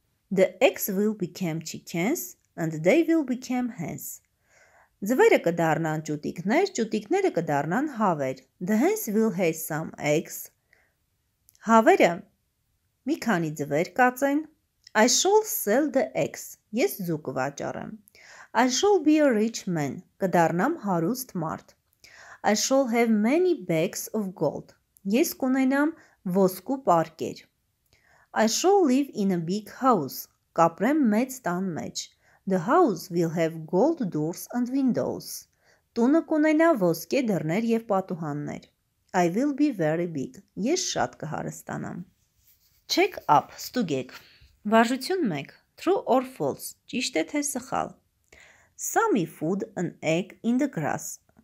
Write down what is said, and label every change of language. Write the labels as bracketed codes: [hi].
[en] The eggs will become chickens and they will become hens. [hy] Ձվերը կդառնան ճուտիկներ, ճուտիկները կդառնան հավեր. [en] The hens will lay some eggs. [hy] Հավերը մի քանի ձվեր կածեն. [en] I shall sell the eggs. [hy] Ես ձու կվաճառեմ. [en] I shall be a rich man. [hy] Կդառնամ հարուստ մարդ. [en] I shall have many bags of gold. [hy] Ես կունենամ ոսկու պարկեր. [en] I shall live in a big house. [hy] Կապրեմ մեծ տան մեջ. [en] The house will have gold doors and windows. [hy] Տունը կունենա ոսկե դռներ եւ պատուհաններ. [en] I will be very big. [hy] Ես շատ կհարստանամ. [en] Check up. [hy] Ստուգեք. Վարժություն 1. [en] True or false. [hy] Ճիշտ է թե սխալ. [en] Sammy found an egg in the grass.